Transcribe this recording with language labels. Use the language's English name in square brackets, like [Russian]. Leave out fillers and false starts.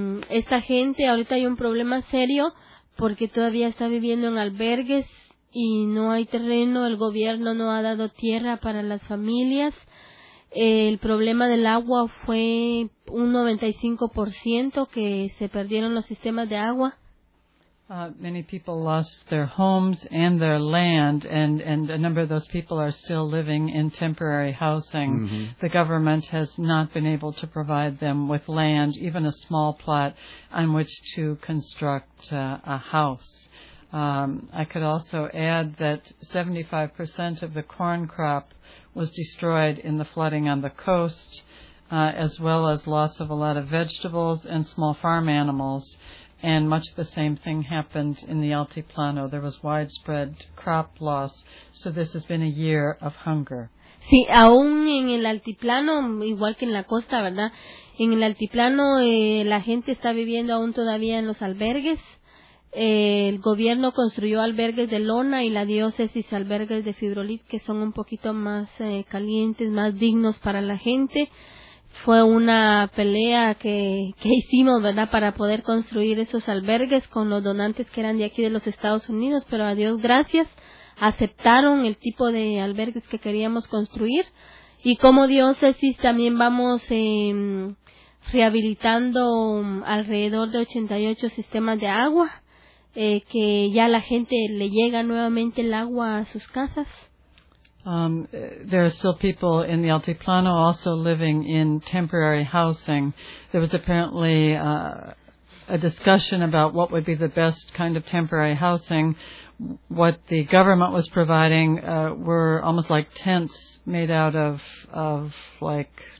[Spanish] Esta gente, ahorita hay un problema serio porque todavía está viviendo en albergues y no hay terreno, el gobierno no ha dado tierra para las familias. El problema del agua fue un 95% que se perdieron los sistemas de agua. [English] Many people lost their homes and their land, and a number of those people are still living in temporary housing. Mm-hmm. The government has not been able to provide them with land, even a small plot on which to construct a house. I could also add that 75% of the corn crop was destroyed in the flooding on the coast, as well as loss of a lot of vegetables and small farm animals. And much the same thing happened in the Altiplano. There was widespread crop loss. So this has been a year of hunger. [Spanish] Sí, aún en el Altiplano, igual que en la costa, ¿verdad? En el Altiplano, la gente está viviendo aún todavía en los albergues. El gobierno construyó albergues de lona y la diócesis albergues de fibrolit, que son un poquito más calientes, más dignos para la gente. Fue una pelea que hicimos, ¿verdad?, para poder construir esos albergues con los donantes que eran de aquí de los Estados Unidos, pero a Dios gracias, aceptaron el tipo de albergues que queríamos construir. Y como diócesis también vamos rehabilitando alrededor de 88 sistemas de agua, que ya la gente le llega nuevamente el agua a sus casas. [English] There are still people in the Altiplano also living in temporary housing. There was apparently a discussion about what would be the best kind of temporary housing. What the government was providing were almost like tents made out of like